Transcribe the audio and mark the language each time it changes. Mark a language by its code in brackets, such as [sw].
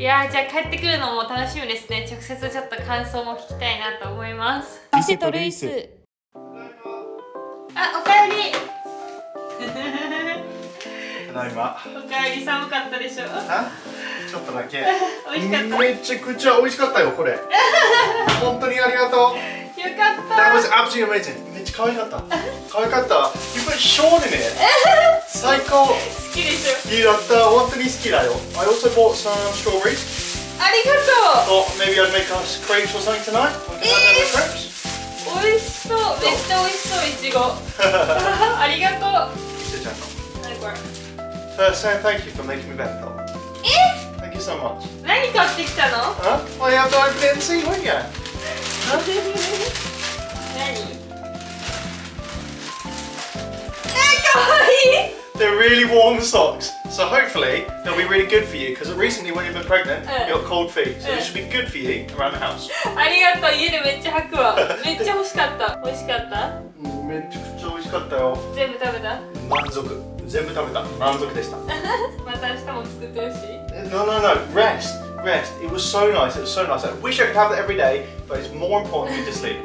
[ja] いやー、じゃあ帰ってくるのも楽しみですね。直接ちょっと感想も聞きたいなと思います。リセとルイス。あ、お帰り。ただいま。おかえり、寒かったでしょ。あ、ちょっとだけ。美味しかった。めちゃくちゃ美味しかったよ、これ。本当にあありがとう。よかった。 [en] That was absolutely amazing。 [ja] めっちゃ可愛かった。可愛かった。やっぱりショーでね。最高。好きでしょ。いいだった。本当に好きだよ。 [en] I also bought some strawberries。 [ja] ありがとう。 [en] So maybe I'd make us crepes or something tonight. Crepes. [ja] 美味しそう、めっちゃ美味しそう、いちご。ありがとう。リセちゃんの。何これ [en] ？First time, thank you for making me better. [ja] え？ [en] Thank you so much. [ja] 何買ってきたの？ Huh? [en] Well, you have to open it and see, won't you? [ja] 何？え、かわいい！ [en] They're really warm socks. So hopefully, they'll be really good for you. Because recently, when you've been pregnant, you got cold feet. So they should be good for you around the house. [ja] ありがとう。家でめっちゃ履くわ。めっちゃ欲しかった。美味しかった？めちゃくちゃ美味しかったよ。全部食べた？満足。全部食べた。満足でした。また明日も作ってほしい。 [en] No, no, no. Rest. Rest. It was so nice. It was so nice. I wish I could have it every day, but it's more important for you to sleep.